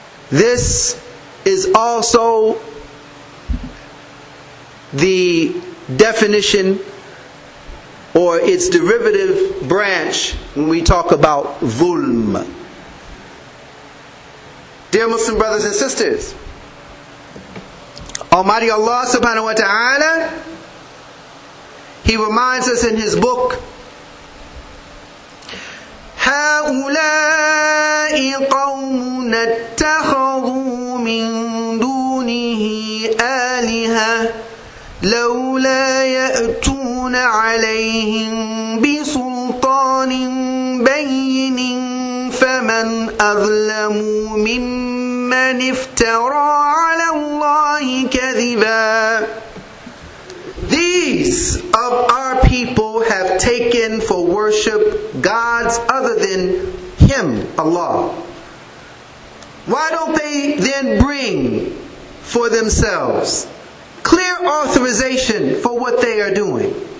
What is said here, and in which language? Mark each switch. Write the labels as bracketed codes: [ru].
[en] This is also the definition or its derivative branch when we talk about ظلم. Dear Muslim brothers and sisters, Almighty Allah subhanahu wa ta'ala, He reminds us in His book, [ar] هَؤُلَاءِ قَوْمُنَا اتَّخَذُوا مِن دُونِهِ آلِهَةً لَوْلَا يَأْتُونَ عَلَيْهِم بِسُلْطَانٍ بَيِّنٍ فَمَنْ أَظْلَمُ مِمَّنِ افْتَرَى عَلَى اللَّهِ كَذِبًا. [en] These of our people have taken for worship gods other than Him, Allah. Why don't they then bring for themselves clear authorization for what they are doing?